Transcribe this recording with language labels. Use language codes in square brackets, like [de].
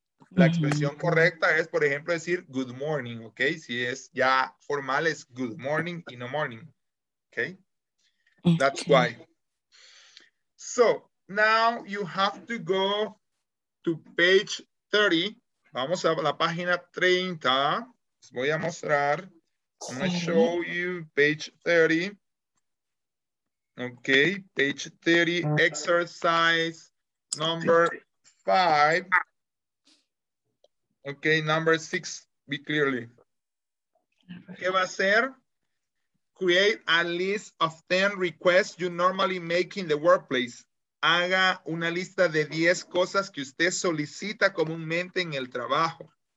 [es] La expresión correcta es, por ejemplo, decir [en] good morning, [es] ¿ok? Si es ya formal, es [en] good morning [es] y no morning, ¿ok? [en] That's why. So, now you have to go to page 30. [es] Vamos a la página 30. Les voy a mostrar. [en] I'm going to show you page 30. Okay, page 30, exercise number 5. Okay, number 6, be clearly. [es] ¿Qué va a hacer? [en] Create a list of 10 requests you normally make in the workplace. [es] Haga una lista de 10 cosas que usted solicita comúnmente en el trabajo.